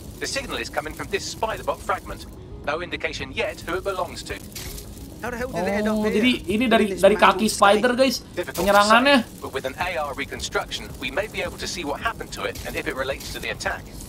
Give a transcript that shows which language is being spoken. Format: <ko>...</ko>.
<en>The signal is coming from this spider bot fragment. No indication yet who it belongs to.</en> <id>Oh, jadi ini dari kaki spider guys penyerangannya.</id> <en>But with an AR reconstruction, we may be able to see what happened to it and if it relates to the attack.</en>